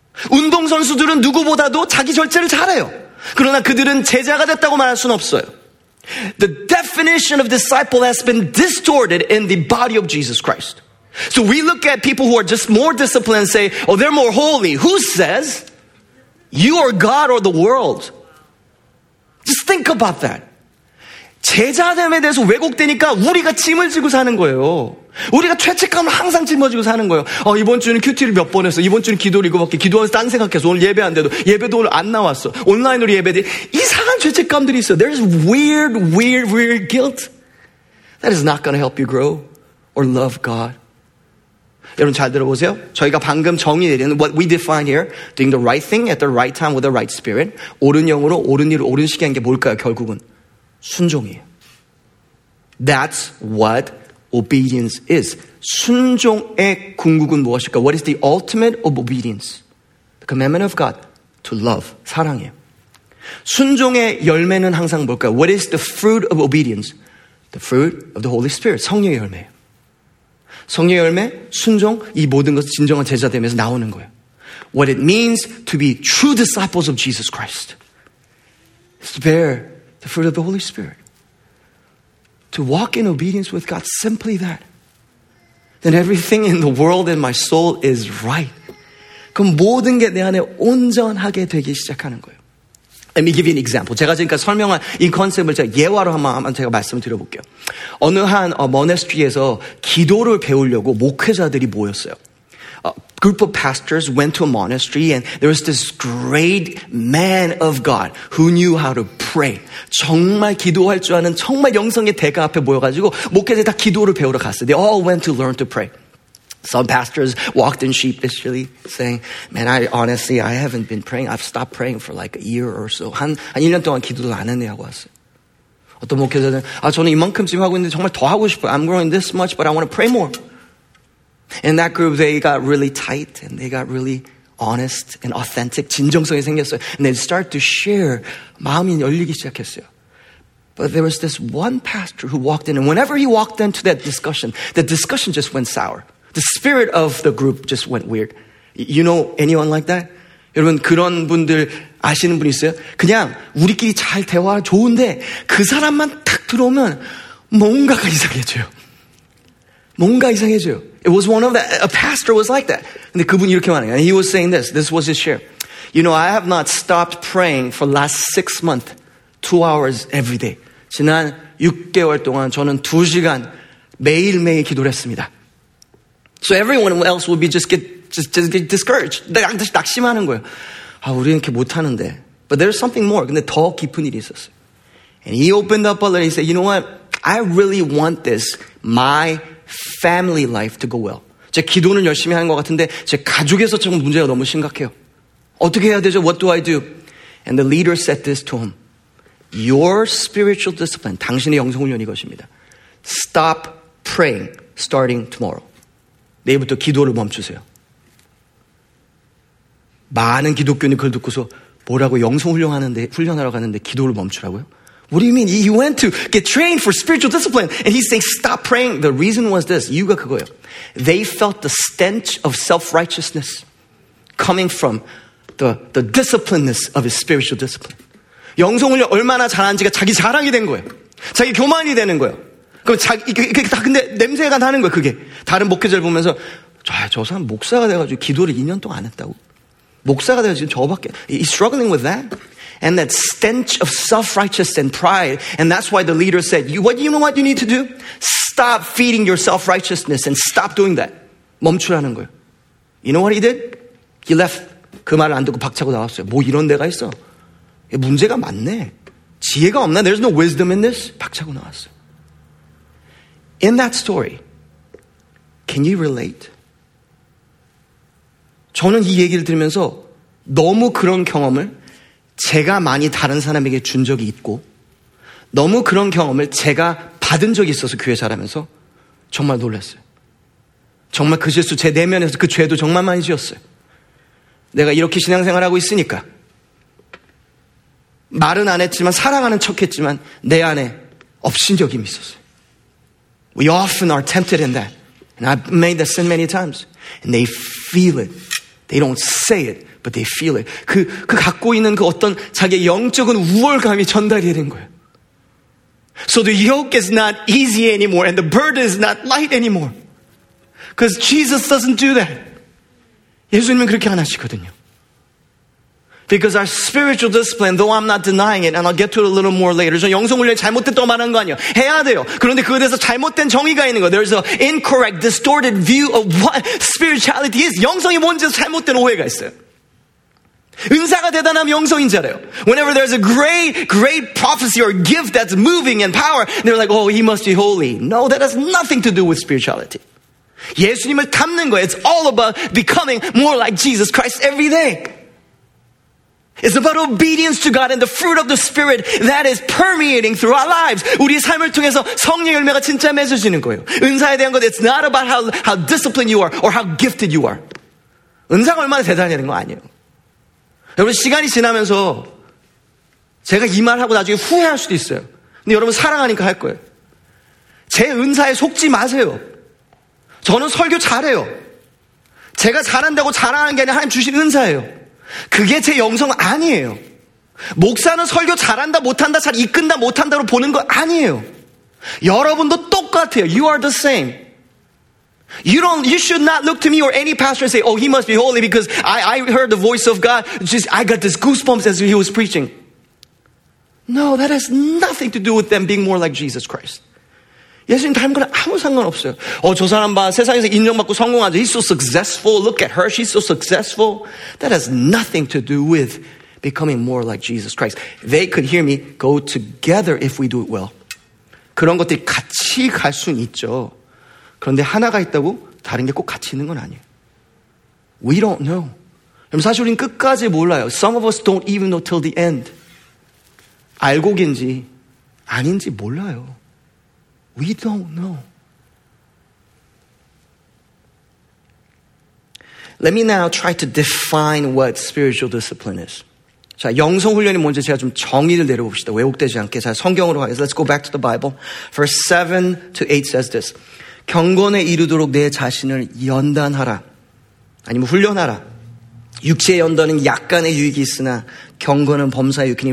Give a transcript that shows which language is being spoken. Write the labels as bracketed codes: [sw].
[ko] 운동선수들은 누구보다도 자기 절제를 잘해요. 그러나 그들은 제자가 됐다고 말할 수는 없어요. [en] The definition of disciple has been distorted in the body of Jesus Christ. So we look at people who are just more disciplined and say, oh, they're more holy. Who says? You or God or the world. Just think about that. [ko] 제자됨에 대해서 왜곡되니까 우리가 짐을 지고 사는 거예요. 우리가 죄책감을 항상 짊어지고 사는 거예요. 어, 이번 주는 큐티를 몇 번 했어. 이번 주는 기도를 이거밖에. 기도하면서 딴 생각해서 오늘 예배 안 돼도 예배도 오늘 안 나왔어. 온라인으로 예배해. 이상한 죄책감들이 있어. [en] There's weird, weird, weird guilt. That is not going to help you grow or love God. [ko] 여러분 잘 들어보세요. 저희가 방금 정의 내리는 [en] what we define here, doing the right thing at the right time with the right spirit. [ko] 옳은 영으로 옳은 일을 옳은 시기에 한 게 뭘까요? 결국은 순종이에요. [en] That's what obedience is. [ko] 순종의 궁극은 무엇일까? [en] What is the ultimate of obedience? The commandment of God to love. [ko] 사랑이에요. 순종의 열매는 항상 뭘까요? [en] What is the fruit of obedience? The fruit of the Holy Spirit. [ko] 성령의 열매. 성령의 열매, 순종, 이 모든 것은 진정한 제자됨에서 나오는 거예요. [en] What it means to be true disciples of Jesus Christ is to bear the fruit of the Holy Spirit. To walk in obedience with God, simply that. Then everything in the world and my soul is right. [ko] 그럼 모든 게 내 안에 온전하게 되기 시작하는 거예요. [en] Let me give you an example. [ko] 제가 지금까지 설명한 이 컨셉을 제가 예화로 한번 제가 말씀을 드려볼게요. 어느 한 모네스트리에서 기도를 배우려고 목회자들이 모였어요. [en] A group of pastors went to a monastery and there was this great man of God who knew how to pray. [ko] 정말 기도할 줄 아는 정말 영성의 대가 앞에 모여가지고 목회자들이 다 기도를 배우러 갔어요. [en] They all went to learn to pray. Some pastors walked in sheepishly saying, man, I haven't been praying. I've stopped praying for like a year or so. [ko] 한 1년 동안 기도를 안 했네 하고 왔어요. 어떤 목회자들은, 아, 저는 이만큼 지금 하고 있는데 정말 더 하고 싶어요. [en] I'm growing this much, but I want to pray more. In that group, they got really tight and they got really honest and authentic. [ko] 진정성이 생겼어요. [en] And they start to share. [ko] 마음이 열리기 시작했어요. [en] But there was this one pastor who walked in, and whenever he walked into that discussion just went sour. The spirit of the group just went weird. You know anyone like that? [ko] 여러분 그런 분들 아시는 분 있어요? 그냥 우리끼리 잘 대화하는 좋은데 그 사람만 탁 들어오면 뭔가가 이상해져요. 뭔가 이상해져요. [en] It was one of the, a pastor was like that. [ko] 근데 그분이 이렇게 말해요. [en] And he was saying this. This was his share. You know, I have not stopped praying for last 6 months, 2 hours every day. [ko] 지난 6개월 동안 저는 2시간 매일매일 기도를 했습니다. [en] So everyone else will be just get discouraged. [ko] 낙심하는 거예요. 아, 우리는 이렇게 못하는데. [en] But there's something more. [ko] 근데 더 깊은 일이 있었어요. [en] And he opened up a letter and he said, you know what? I really want this, my family life to go well. [ko] 제 기도는 열심히 하는 것 같은데 제 가족에서 좀 문제가 너무 심각해요. 어떻게 해야 되죠? [en] What do I do? And the leader said this to him. Your spiritual discipline, [ko] 당신의 영성훈련이 것입니다. [en] Stop praying starting tomorrow. [ko] 내일부터 기도를 멈추세요. 많은 기독교인이 그걸 듣고서 뭐라고 영성훈련하는데 훈련하러 가는데 기도를 멈추라고요? [en] What do you mean? He went to get trained for spiritual discipline and he's saying stop praying. The reason was this. [ko] 이유가 그거예요. [en] They felt the stench of self-righteousness coming from the disciplineness of his spiritual discipline. [ko] 영성훈련 얼마나 잘하는지가 자기 자랑이 된 거예요. 자기 교만이 되는 거예요. 그럼 근데 냄새가 나는 거예요, 그게. 다른 목회자를 보면서 저 사람 목사가 돼가지고 기도를 2년 동안 안 했다고. 목사가 돼가지고 저밖에. [en] He's struggling with that. And that stench of self-righteousness and pride. And that's why the leader said, you know what you need to do? Stop feeding your self-righteousness and stop doing that. [ko] 멈추라는 거예요. [en] You know what he did? He left. [ko] 그 말을 안 듣고 박차고 나왔어요. 뭐 이런 데가 있어. 문제가 많네. 지혜가 없나? [en] There's no wisdom in this. [ko] 박차고 나왔어요. [en] In that story, can you relate? [ko] 저는 이 얘기를 들으면서 너무 그런 경험을 제가 많이 다른 사람에게 준 적이 있고 너무 그런 경험을 제가 받은 적이 있어서 교회 자라면서 정말 놀랐어요. 정말 그 실수 제 내면에서 그 죄도 정말 많이 지었어요. 내가 이렇게 신앙생활하고 있으니까 말은 안 했지만 사랑하는 척했지만 내 안에 업신여김이 있었어요. [en] We often are tempted in that. And I've made that sin many times. And they feel it. They don't say it, but they feel it. [ko] 그 갖고 있는 그 어떤 자기의 영적인 우월감이 전달이 되는 거예요. [en] So the yoke is not easy anymore and the burden is not light anymore. Because Jesus doesn't do that. [ko] 예수님은 그렇게 안 하시거든요. [en] Because our spiritual discipline, though I'm not denying it, and I'll get to it a little more later. [ko] 저는 영성훈련 잘못됐다고 말하는 거 아니에요. 해야 돼요. 그런데 그거에 대해서 잘못된 정의가 있는 거예요. [en] There's an incorrect, distorted view of what spirituality is. [ko] 영성이 뭔지 잘못된 오해가 있어요. 은사가 대단하면 영성인 줄 알아요. [en] Whenever there's a great, great prophecy or gift that's moving in power, they're like, oh, he must be holy. No, that has nothing to do with spirituality. [ko] 예수님을 닮는 거예요. [en] It's all about becoming more like Jesus Christ every day. It's about obedience to God and the fruit of the Spirit that is permeating through our lives. [ko] 우리 삶을 통해서 성령 열매가 진짜 맺어지는 거예요. 은사에 대한 것, [en] it's not about how disciplined you are or how gifted you are. [ko] 은사가 얼마나 대단하냐는 거 아니에요. 여러분, 시간이 지나면서 제가 이 말하고 나중에 후회할 수도 있어요. 근데 여러분, 사랑하니까 할 거예요. 제 은사에 속지 마세요. 저는 설교 잘해요. 제가 잘한다고 자랑하는 게 아니라 하나님 주신 은사예요. 그게 제 영성 아니에요. 목사는 설교 잘한다 못한다 잘 이끈다 못한다로 보는 거 아니에요. 여러분도 똑같아요. [en] You are the same. You should not look to me or any pastor and say, oh, he must be holy because I heard the voice of God. Just, I got this goosebumps as he was preaching. No, that has nothing to do with them being more like Jesus Christ. [ko] 예수님 닮은 건 아무 상관없어요. 저 사람 봐. 세상에서 인정받고 성공하죠. [en] He's so successful. Look at her. She's so successful. That has nothing to do with becoming more like Jesus Christ. They could hear me go together if we do it well. [ko] 그런 것들이 같이 갈 수는 있죠. 그런데 하나가 있다고 다른 게 꼭 같이 있는 건 아니에요. [en] We don't know. [ko] 사실 우린 끝까지 몰라요. [en] Some of us don't even know till the end. [ko] 알곡인지 아닌지 몰라요. [en] We don't know. Let me now try to define what spiritual discipline is. [ko] 자, 영성훈련이 뭔지 제가 좀 정의를 내려봅시다. 왜곡되지 않게. 자, 성경으로 가겠습니다. [en] Let's go back to the Bible. Verse 7 to 8 says this. [ko] 경건에 이르도록 내 자신을 연단하라. 아니면 훈련하라. 육체의 연단은 약간의 유익이 있으나 경건은 범사에 유익이니